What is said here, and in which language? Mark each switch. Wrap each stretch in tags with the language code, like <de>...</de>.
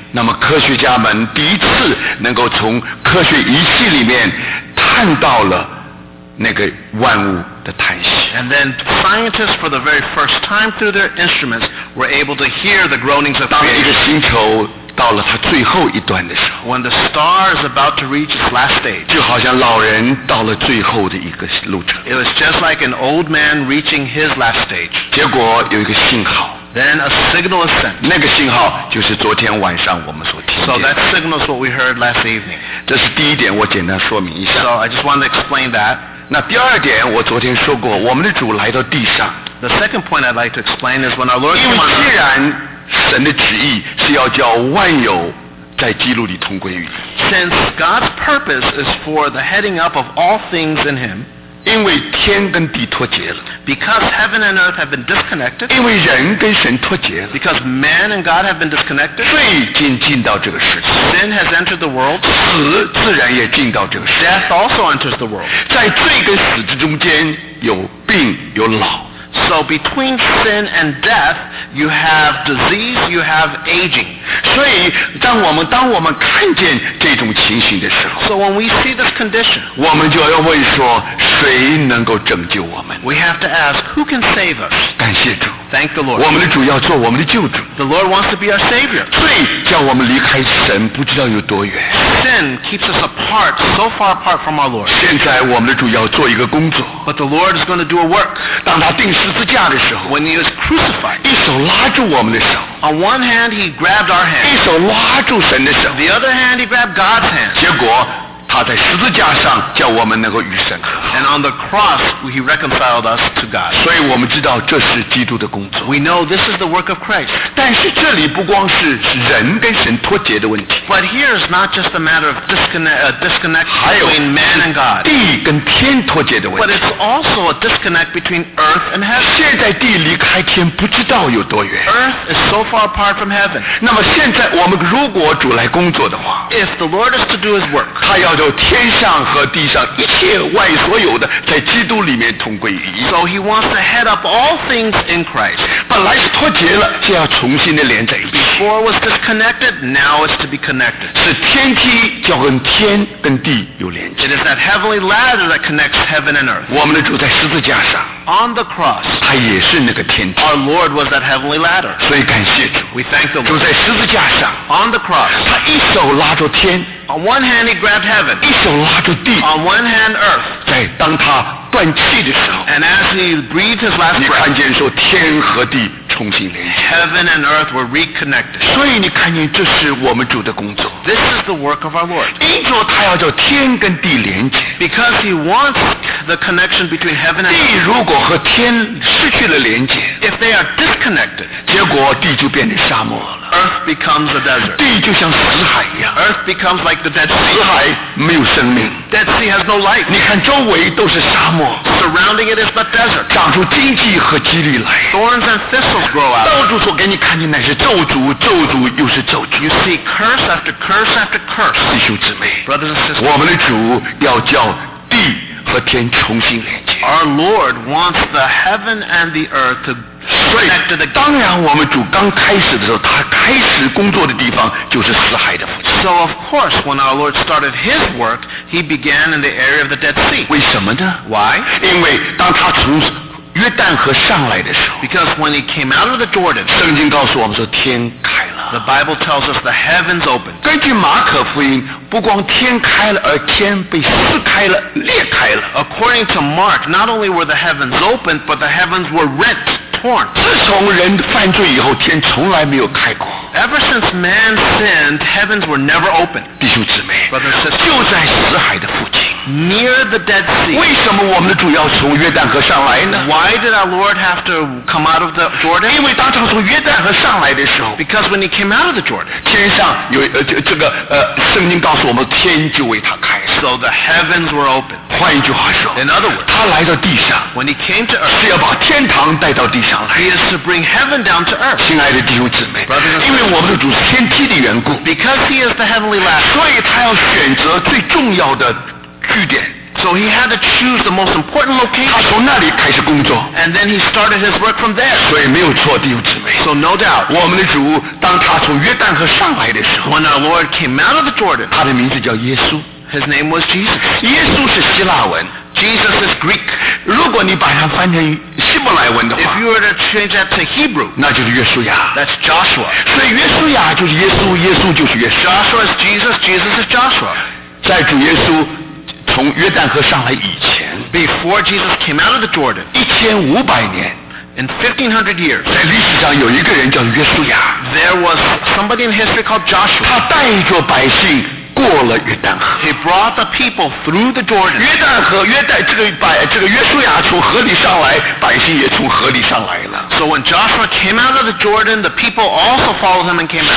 <zh>那么科学家们第一次能够从科学仪器里面看到了那个万物的叹息。</zh> <en>And then scientists for the very first time through their instruments were able to hear the groanings of creation.</en> <zh>当一个星球到了它最后一段的时候，</zh> <en>When the star is about to reach its last stage,</en> <zh>就好像老人到了最后的一个路程。</zh> <en>It was just like an old man reaching his last stage.</en> <zh>结果有一个信号，</zh> <en>Then a signal is sent.</en> <zh>那个信号就是昨天晚上我们所听见的。</zh> <en>So that signal is what we heard last evening.</en> <zh>这是第一点，我简单说明一下。</zh> <en>So I just wanted to explain that.</en> <zh>那第二点，我昨天说过，我们的主来到地上。</zh> <en>The second point I'd like to explain is when our Lord came.</en> <zh>因为既然神的旨意是要叫万有在基督里同归于。</zh> <en>Since God's purpose is for the heading up of all things in Him.</en> <zh>因为天跟地脱节了。</zh> <en>Because heaven and earth have been disconnected.</en> <zh>因为人跟神脱节了。</zh> <en>Because man and God have been disconnected.</en> <zh>罪进进到这个世界。</zh> <en>Sin has entered the world.</en> <zh>死自然也进到这个世界。</zh> <en>Death also enters the world.</en> <zh>在罪跟死之中间有病有老。</zh> <en>So between sin and death, you have disease, you have aging.</en> <zh>所以当我们看见这种情形的时候</zh> <en>So when we see this condition,</en> <zh>我们就要问说谁能够拯救我们</zh> <en>We have to ask, who can save us?</en> <zh>感谢主</zh> <en>Thank the Lord.</en> <zh>我们的主要做我们的救主</zh> <en>The Lord wants to be our Savior.</en> <zh>罪叫我们离开神不知道有多远</zh> <en>Sin keeps us apart, so far apart from our Lord.</en> <zh>现在我们的主要做一个工作</zh> <en>But the Lord is going to do a work.</en> <zh>当他定十字架的时候</zh> <en>When he was crucified,</en> <zh>一手拉住我们的手</zh> <en>On one hand, he grabbed our hand.</en> <zh>一手拉住神的手</zh> <en>The other hand, he grabbed God's hand.</en> <zh>结果他在十字架上叫我们能够与神和</zh> <en>And on the cross, he reconciled us to God.</en> <zh>所以我们知道这是基督的工作</zh> <en>We know this is the work of Christ.</en> <zh>但是这里不光是人跟神脱节的问题</zh> <en>But here is not just a matter of disconnect between man and God.</en> <zh>地跟天脱节的问题</zh> <en>But it's also a disconnect between earth and heaven.</en> <zh>现在地离开天不知道有多远</zh> <en>Earth is so far apart from heaven.</en> <zh>那么现在我们如果主来工作的话</zh> <en>If the Lord is to do his work,</en> <zh>他要就天上和地上一切外所有的在基督里面同归于一</zh> <en>So he wants to head up all things in Christ</en> <zh>本来是脱节了现在要重新的连在一起</zh> <en>Before was disconnected Now it's to be connected</en> <zh>是天梯叫跟天跟地有连接</zh> <en>It is that heavenly ladder that connects heaven and earth</en> <zh>我们的主在十字架上</zh> <en>On the cross</en> <zh>他也是那个天梯</zh> <en>Our Lord was that heavenly ladder</en> <zh>所以感谢主</zh> <en>We thank the Lord</en> <zh>主在十字架上</zh> <en>On the cross</en> <zh>他一手拉着天</zh> <en>On one hand, he grabbed heaven.</en> <zh>一手拉住地。</zh> <en>On one hand, earth.</en> <zh>在当他断气的时候。</zh> <en>And as he breathed his last breath.</en> <zh>你看见说天和地重新连接。</zh> <en>Heaven and earth were reconnected.</en> <zh>所以你看见这是我们主的工作。</zh> <en>This is the work of our Lord.</en> <zh>因着他要叫天跟地连接。</zh> <en>Because he wants the connection between heaven and earth.</en> <zh>地如果和天失去了连接。</zh> <en>If they are disconnected.</en> <zh>结果地就变成沙漠了。</zh> <en>Earth becomes a desert.</en> <zh>地就像死海一样。</zh> <en>Earth becomes like the Dead Sea.</en> <zh>死海没有生命。</zh> <en>Dead Sea has no life.</en> <zh>你看周围都是沙漠。</zh> <en>Surrounding it is but desert.</en> <zh>长出荆棘和蒺藜来。</zh> <en>Thorns and thistles grow out.</en> <zh>到处所给你看见乃是咒诅，咒诅又是咒诅。</zh> <en>You see curse after curse after curse.</en> <zh>弟兄姊妹</zh> <en>，Brothers and sisters，</en> <zh>我们的主要叫地和天重新连接。</zh> <en>Our Lord wants the heaven and the earth to</en> <zh>所以当然我们主刚开始的时候他开始工作的地方就是死海的附近</zh> <en>So of course when our Lord started his work he began in the area of the Dead Sea</en> <zh>为什么呢</zh> <en>Why?</en> <zh>因为当他从约旦河上来的时候</zh> <en>Because when he came out of the Jordan</en> <zh>圣经告诉我们说天开了</zh> <en>The Bible tells us the heavens opened</en> <zh>根据马可福音不光天开了而天被撕开了裂开了</zh> <en>According to Mark not only were the heavens opened but the heavens were rent</en> <zh>自从人犯罪以后天从来没有开过</zh> <en>Ever since man sinned Heavens were never open</en> <zh>弟兄姊妹</zh> <en>Brother, sister,</en> <zh>就在死海的附近</zh> <en>Near the Dead Sea</en> <zh>为什么我们的主要从约旦河上来呢</zh> <en>Why did our Lord have to come out of the Jordan</en> <zh>因为当他从约旦河上来的时候</zh> <en>Because when he came out of the Jordan</en> <zh>天上有这个圣经告诉我们天就为他开</zh> <en>So the heavens were open</en> <zh>换一句话说</zh> <en>In other words</en> <zh>他来到地上</zh> <en>When he came to earth</en> <zh>是要把天堂带到地上</zh> <en>He is to bring heaven down to earth.</en> <zh>亲爱的弟兄姊妹 因为我们的主是天梯的缘故</zh> <en>Because he is the heavenly ladder.</en> <zh>所以他要选择最重要的据点</zh> <en>So he had to choose the most important location.</en> <zh>他从那里开始工作</zh> <en>And then he started his work from there.</en> <zh>所以没有错弟兄姊妹</zh> <en>So no doubt.</en> <zh>我们的主当他从约旦河上来的时候</zh> <en>When our Lord came out of the Jordan.</en> <zh>他的名字叫耶稣</zh> <en>His name was Jesus.</en> <zh>耶稣是希腊文</zh> <en>Jesus is Greek.</en> <zh>如果你把它翻成希伯来文的话</zh> <en>If you were to change that to Hebrew</en> <zh>那就是约书亚</zh> <en>That's Joshua</en> <zh>所以约书亚就是耶稣耶稣就是约书亚</zh> <en>Joshua is Jesus Jesus is Joshua</en> <zh>在主耶稣从约旦河上来以前</zh> <en>Before Jesus came out of the Jordan</en> <zh>1500年</zh> <en>In 1500 years,</en> <zh>在历史上有一个人叫约书亚,</zh> <en>there was somebody in history called Joshua.</en> <zh>他带着百姓,</zh> <en>He brought the people through the Jordan.</en> <zh>约旦河约带这个百这个约书亚从河里上来，百姓也从河里上来了。</zh> <en>So when Joshua came out of the Jordan, the people also followed him and came out.</en>